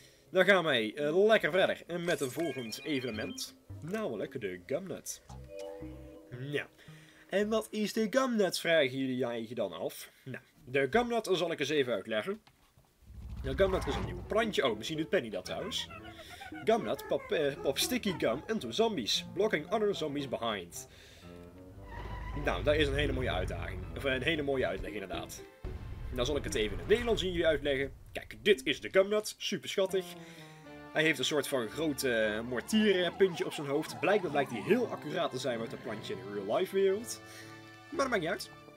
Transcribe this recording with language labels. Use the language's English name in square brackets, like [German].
[Dutch] Dan gaan wij lekker verder en met een volgend evenement. Namelijk de Gumnut. Ja. En wat is de Gumnut, vragen jullie je dan af? Nou, de Gumnut zal ik eens even uitleggen. De Gumnut is een nieuw plantje. Oh, misschien doet Penny dat trouwens. [English] Gumnut pop sticky gum into zombies. Blocking other zombies behind. [Dutch] Nou, dat is een hele mooie uitdaging. Of een hele mooie uitleg inderdaad. Dan zal ik het even in het Nederlands in jullie uitleggen. Kijk, dit is de Gumnut. Super schattig. Hij heeft een soort van grote mortierpuntje op zijn hoofd. Blijkbaar blijkt hij heel accuraat te zijn met een plantje in de real life wereld. Maar dat maakt niet uit.